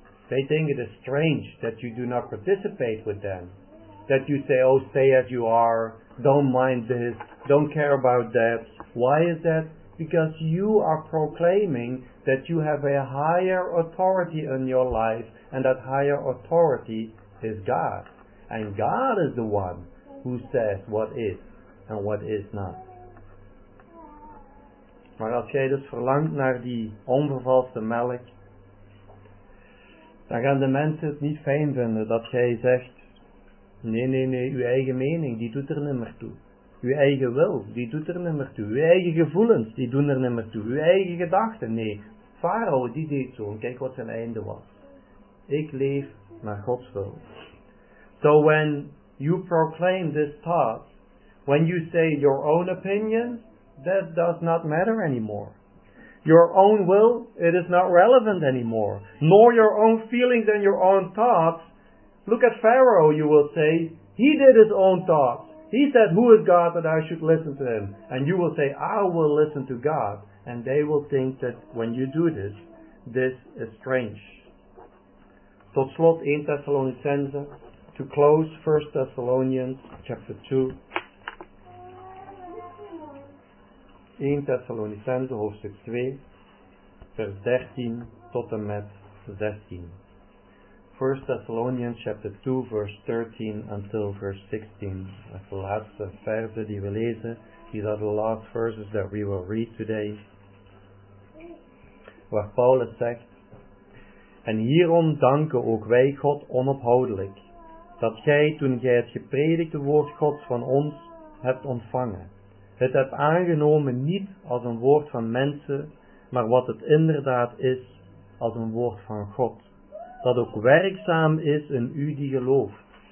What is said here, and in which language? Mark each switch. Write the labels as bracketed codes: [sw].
[en] They think it is strange that you do not participate with them, that you say, oh, stay as you are, don't mind this, don't care about that. Why is that? Because you are proclaiming that you have a higher authority in your life, and that higher authority is God. And God is the one who says what is and what is not. [nl] Maar als jij dus verlangt naar die onvervalste melk, dan gaan de mensen het niet fijn vinden dat jij zegt, nee, uw eigen mening, die doet er nimmer toe. Uw eigen wil, die doet er nimmer toe. Uw eigen gevoelens, die doen er nimmer toe. Uw eigen gedachten, nee. Farao, die deed zo, en kijk wat zijn einde was. Ik leef naar Gods wil. [en] So when you proclaim this thought, When you say your own opinion, that does not matter anymore. Your own will, it is not relevant anymore. Nor your own feelings and your own thoughts. Look at Pharaoh, you will say. He did his own thoughts. He said, who is God that I should listen to him? And you will say, I will listen to God. And they will think that when you do this, this is strange. [nl] Tot slot 1 Thessalonicense. [en] To close 1 Thessalonians chapter 2. [nl] 1 Thessalonicense hoofdstuk 2, vers 13 tot en met 16. [en] 1 Thessalonians chapter 2, verse 13 until verse 16. [nl] Dat is de laatste verse die we lezen. [en] These are the last verses that we will read today. [nl] Waar Paulus zegt, en hierom danken ook wij God onophoudelijk, dat gij toen gij het gepredikte woord Gods van ons hebt ontvangen, het hebt aangenomen niet als een woord van mensen, maar wat het inderdaad is, als een woord van God, dat ook werkzaam is in u die gelooft.